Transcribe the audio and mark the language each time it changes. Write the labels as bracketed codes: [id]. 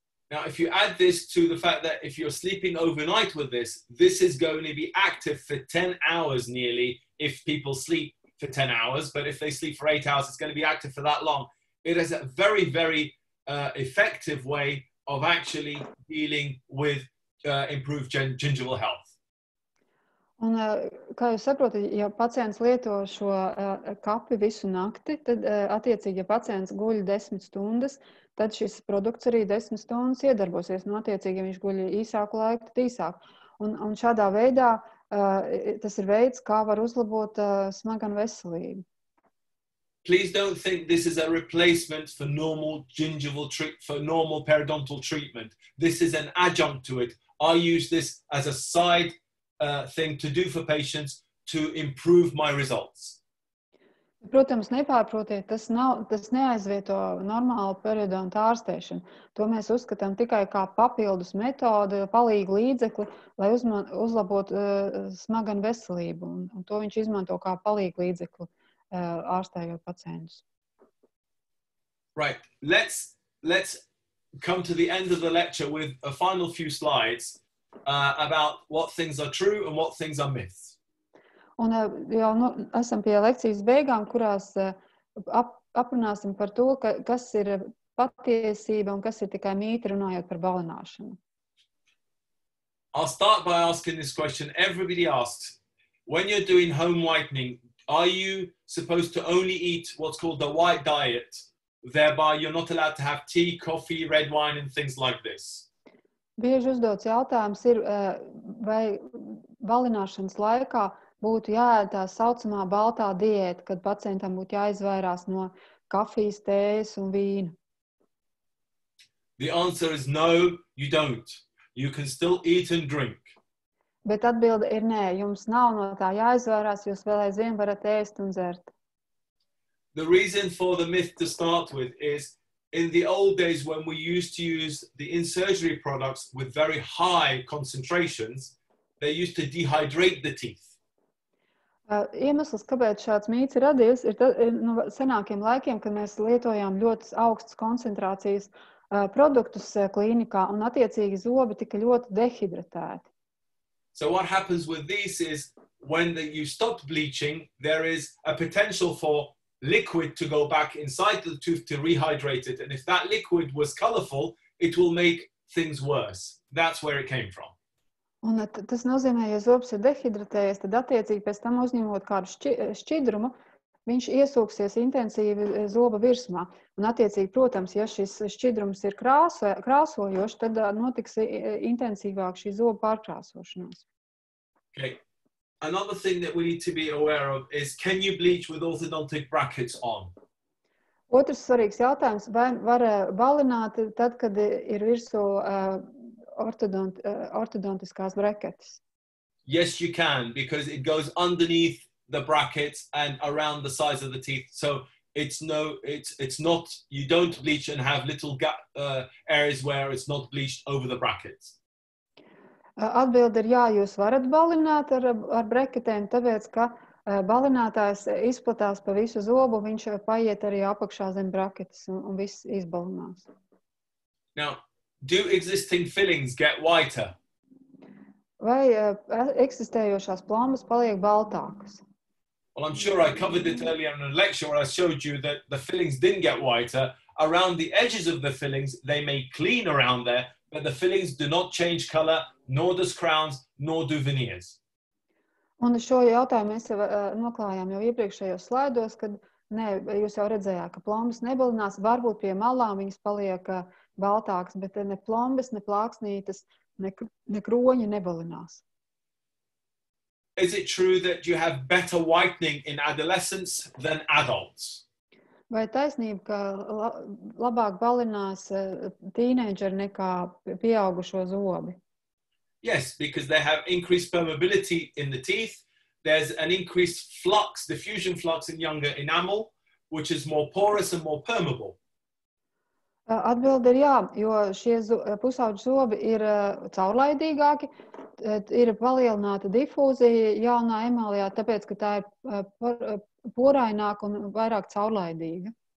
[en] Now, if you add this to the fact that if you're sleeping overnight with this, this is going to be active for 10 hours nearly, if people sleep for 10 hours, but if they sleep for 8 hours, it's going to be active for that long. It is a very, very effective way of actually dealing with improved gingival health. [lv] Un, kā jūs saprotat, ja pacients lieto šo kapi visu nakti, tad, attiecīgi, ja pacients guļ 10 stundas, tad šis produkts arī 10 stundas iedarbosies, un, attiecīgi, ja viņš guļ īsāku laiku, tad īsāk. Un šādā veidā tas ir veids, kā var uzlabot smaganu veselību. [en] Please don't think this is a replacement for normal gingival treatment, for normal periodontal treatment. This is an adjunct to it. I use this as a side thing to do for patients to improve my results. [lv] Protams, nepārprotiet, tas neaizvieto normālu periodontu ārstēšanu. To mēs uzskatām tikai kā papildus metodu, palīgu līdzekli, lai uzlabotu smaganu veselību. Un to viņš izmanto kā palīgu līdzekli ārstējot pacientus. [en] Right. Let's come to the end of the lecture with a final few slides. about what things are true and what things are myths. [lv] Un jau nu, esam pie lekcijas beigām, kurās aprunāsim par to, ka, kas ir patiesība un kas ir tikai mīti runājot par balināšanu. [en] I'll start by asking this question. Everybody asks, when you're doing home whitening, are you supposed to only eat what's called the white diet, thereby you're not allowed to have tea, coffee, red wine and things like this? [lv] Bieži uzdots jautājums ir, vai balināšanas laikā būtu jāēd tā saucamā baltā diēta, kad pacientam būtu jāizvairās no kafijas, tējas un vīna. [en] The answer is no, you don't. You can still eat and drink. [lv] Bet atbilde ir nē, jums nav no tā jāizvairās, jūs vēl aizvien varat ēst un dzert. [en] The reason for the myth to start with is in the old days when we used to use the in-surgery products with very high concentrations, they used to dehydrate the teeth. [lv] Iemesls, kāpēc šāds mīts ir radies, ir no senākiem laikiem, kad mēs lietojām ļoti augstas koncentrācijas produktus klīnikā un attiecīgi zobi tika ļoti dehidratēti. [en] So what happens with this is when you stop bleaching, there is a potential for liquid to go back inside the tooth to rehydrate it. And if that liquid was colorful, it will make things worse. That's where it came from. [lv] Un tas nozīmē, ja zobs ir dehidratējies, tad attiecīgi pēc tam uzņemot kādu šķidrumu, viņš iesūksies intensīvi zoba virsmā. Un attiecīgi, protams, ja šis šķidrums ir krāsojošs, tad notiks intensīvāk šī zoba pārkrāsošanās. [en] Okay. Another thing that we need to be aware of is, can you bleach with orthodontic brackets on? [lv] Otrs svarīgs jautājums, vai var balināt tad, kad ir virsū ortodontiskās braketes? [en] Yes, you can, because it goes underneath the brackets and around the size of the teeth. So it's not, you don't bleach and have little areas where it's not bleached over the brackets. [lv] Atbilde ir jā, jūs varat balināt ar breketēm, tāpēc, ka balinātājs izplatās pa visu zobu, viņš paiet arī apakšā zem braketes un viss izbalinās. [en] Now, do existing fillings get whiter? [lv] Vai eksistējošās plombas paliek baltākas? [en] Well, I'm sure I covered it earlier in a lecture where I showed you that the fillings didn't get whiter. Around the edges of the fillings, they may clean around there, but the fillings do not change color, nor does crowns, nor do veneers. [lv] Un šo jautājumu mēs jau noklājām jau iepriekšējos slaidos, kad nē, jūs jau redzējāt, ka plombas nebalinās, varbūt pie malām viņas paliek baltākas, bet ne plombas, ne plāksnītas, ne kroņi nebalinās. [en] Is it true that you have better whitening in adolescents than adults? [lv] Vai taisnība, ka labāk balinās tīnēdžeri nekā pieaugušo zobi? [en] Yes, because they have increased permeability in the teeth. There's an increased flux, diffusion flux in younger enamel, which is more porous and more permeable. [lv] Atbilde ir jā, jo šie pusaudžu zobi ir caurlaidīgāki, ir palielināta difūzija jaunā emālijā, tāpēc, ka tā ir poraināka un vairāk caurlaidīga.